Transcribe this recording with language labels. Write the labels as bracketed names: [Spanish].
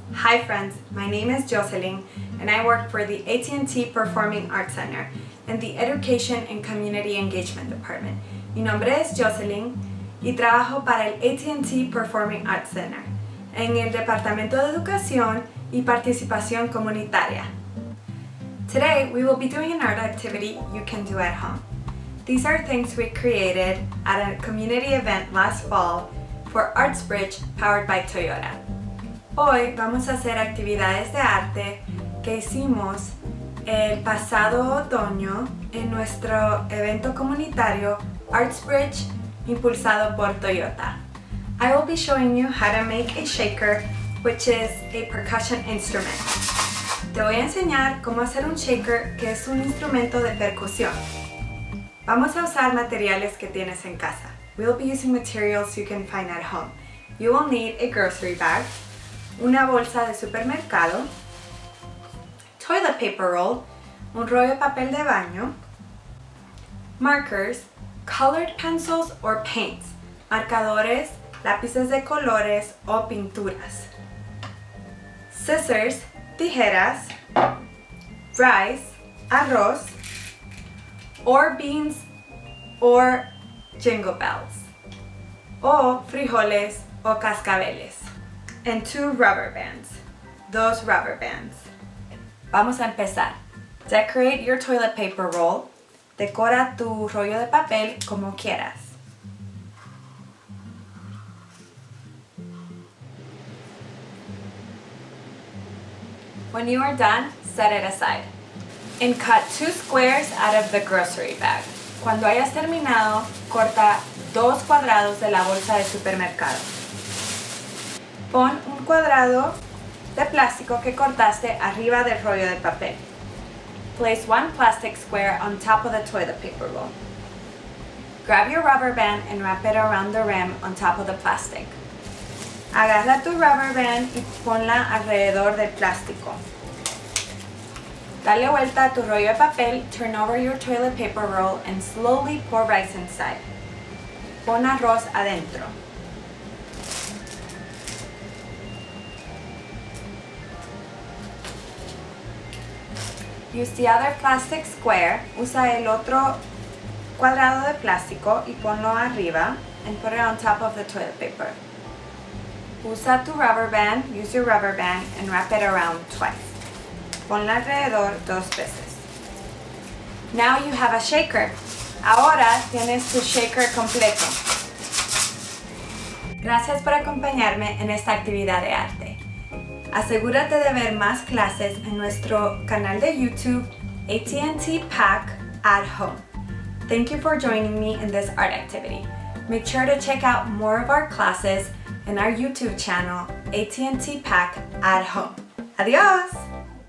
[English] Hi friends, my name is Jocelyn and I work for the AT&T Performing Arts Center and the Education and Community Engagement Department. [Spanish] Mi nombre es Jocelyn y trabajo para el AT&T Performing Arts Center en el Departamento de Educación y Participación Comunitaria. [English] Today we will be doing an art activity you can do at home. These are things we created at a community event last fall for ArtsBridge powered by Toyota. [Spanish] Hoy vamos a hacer actividades de arte que hicimos el pasado otoño en nuestro evento comunitario ArtsBridge impulsado por Toyota. [English] I will be showing you how to make a shaker, which is a percussion instrument. [Spanish] Te voy a enseñar cómo hacer un shaker, que es un instrumento de percusión. Vamos a usar materiales que tienes en casa. [English] We'll be using materials you can find at home. You will need a grocery bag, una bolsa de supermercado, [Spanish] toilet paper roll, un rollo de papel de baño, markers, colored pencils or paints, marcadores, lápices de colores o pinturas, scissors, tijeras, rice, arroz, or beans or jingle bells, o frijoles o cascabeles. [English] And two rubber bands. Those rubber bands. Vamos a empezar. [Spanish] Decorate your toilet paper roll. Decora tu rollo de papel como quieras. [English] When you are done, set it aside. And cut two squares out of the grocery bag. [Spanish] Cuando hayas terminado, corta dos cuadrados de la bolsa de supermercado. Pon un cuadrado de plástico que cortaste arriba del rollo de papel. [English] Place one plastic square on top of the toilet paper roll. Grab your rubber band and wrap it around the rim on top of the plastic. [Spanish] Agarra tu rubber band y ponla alrededor del plástico. [English] Dale vuelta a tu rollo de papel, turn over your toilet paper roll and slowly pour rice inside. [Spanish] Pon arroz adentro. [English] Use the other plastic square, usa el otro cuadrado de plástico y ponlo arriba and put it on top of the toilet paper. Usa tu rubber band, use your rubber band and wrap it around twice. Ponlo alrededor dos veces. Now you have a shaker. [Spanish] Ahora tienes tu shaker completo. Gracias por acompañarme en esta actividad de arte. Asegúrate de ver más clases en nuestro canal de YouTube, AT&T Pack at Home. [English] Thank you for joining me in this art activity. Make sure to check out more of our classes in our YouTube channel, AT&T Pack at Home. Adios!